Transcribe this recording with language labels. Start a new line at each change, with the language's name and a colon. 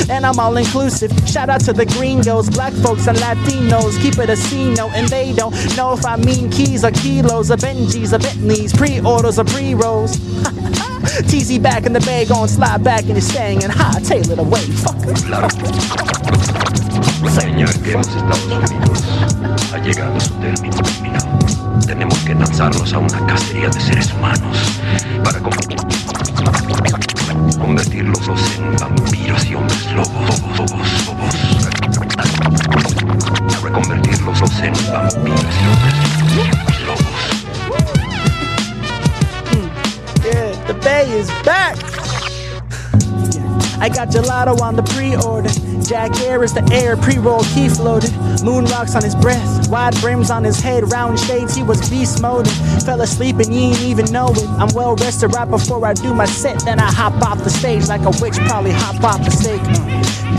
English: And I'm all inclusive, shout out to the gringos. Black folks and Latinos, keep it a C note. And they don't know if I mean keys or kilos. Or Benjis or Bentleys, pre-orders or pre-rolls. TZ back in the bay, going slide back and he's staying and high, tail it away, fuck.
Spanish: Señor, que hemos estado unidos, ha llegado su término terminal. Tenemos que lanzarlos a una cacería de seres humanos para convertirlos en vampiros y hombres lobos. Reconvertirlos en vampiros y hombres lobos.
English: Yeah, the bay is back. I got gelato on the pre-order. Jack Harris, the air, pre-roll, key floated. Moon rocks on his breath, wide brims on his head. Round shades, he was beast mode. Fell asleep and you ain't even know it. I'm well rested right before I do my set. Then I hop off the stage like a witch, probably hop off the stake.